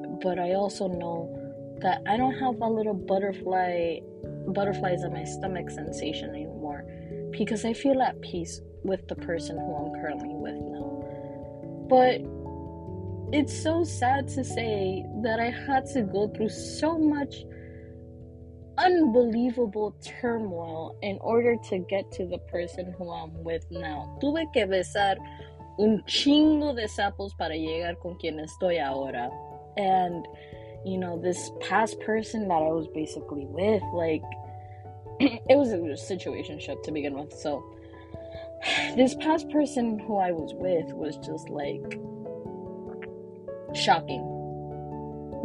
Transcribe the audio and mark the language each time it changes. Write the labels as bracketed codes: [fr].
[en] But I also know that I don't have a little butterflies in my stomach sensation anymore, because I feel at peace with the person who I'm currently with now. But it's so sad to say that I had to go through so much unbelievable turmoil in order to get to the person who I'm with now. [es] Tuve que besar un chingo de sapos para llegar con quien estoy ahora. [en] And, you know, this past person that I was basically with, like, it was a situationship to begin with. So, this past person who I was with was just, like, shocking.